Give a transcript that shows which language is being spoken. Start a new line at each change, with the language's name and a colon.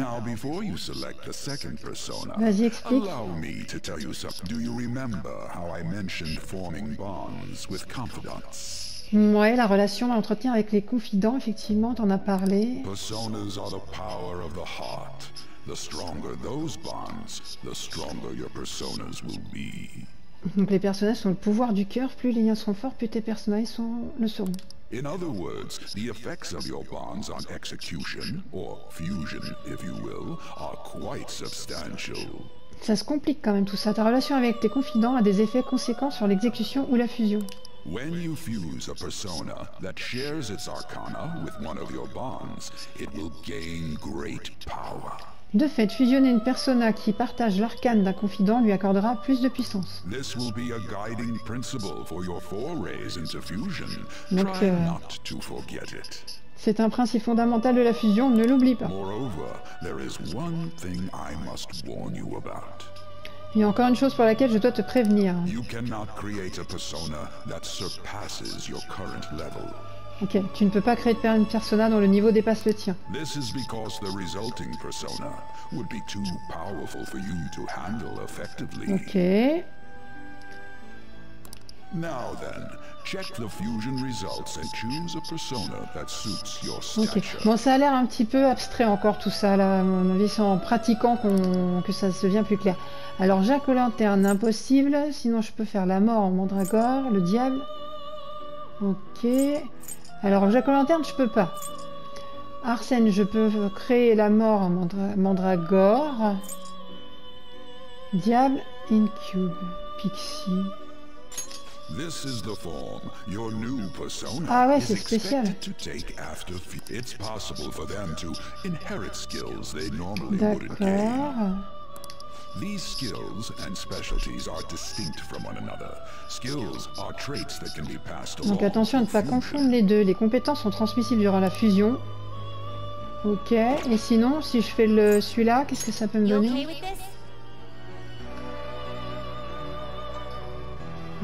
English: Now, before you select the second persona,
French: vas-y, explique.
English: Allow me to tell you something. Do you remember how I mentioned forming bonds with confidants?
French: Ouais, la relation à entretenir avec les confidents, effectivement, t'en as parlé.
English: Personas are the power of the heart. The stronger those bonds, the stronger your personas will be.
French: Donc les personnages sont le pouvoir du cœur, plus les liens sont forts, plus tes personnages le seront.
English: In other words, the effects of your bonds on execution, or fusion, if you will, are quite substantial.
French: Ça se complique quand même tout ça. Ta relation avec tes confidents a des effets conséquents sur l'exécution ou la fusion.
English: When you fuse a persona that shares its arcana with one of your bonds, it will gain great power.
French: De fait, fusionner une persona qui partage l'arcane d'un confident lui accordera plus de puissance.
English: This will be a guiding principle for your forays into fusion.
French: Donc,
English: try not to forget it.
French: C'est un principe fondamental de la fusion, ne l'oublie pas.
English: Moreover, there is one thing I must warn you about.
French: Il y a encore une chose pour laquelle je dois te prévenir.
English: You cannot create a persona that surpasses your current level.
French: Ok, tu ne peux pas créer une persona dont le niveau dépasse le tien.
English: This is because the resulting persona would be too powerful for you to handle effectively.
French: Ok.
English: Now then, check the fusion results and choose a persona that suits your stature.
French: Ok, bon, ça a l'air un petit peu abstrait encore tout ça là, à mon avis, c'est en pratiquant que ça se vient plus clair. Alors, Jacques aux lanternes, impossible, sinon je peux faire la mort en mandragore, le diable. Ok. Alors, Jacques aux lanternes, je peux pas. Arsène, je peux créer la mort en mandragore. Diable, Incube, Pixie.
English: This is the form your new persona
French: ah ouais,
English: is
French: c'est spécial.
English: Expected to take after it's possible for them to inherit skills they normally
French: D'accord.
English: wouldn't gain. These skills and specialties are distinct from one another. Skills are traits that can be passed along.
French: Donc attention à ne pas confondre les deux. Les compétences sont transmissibles durant la fusion. Ok. Et sinon, si je fais celui-là, qu'est-ce que ça peut me donner ?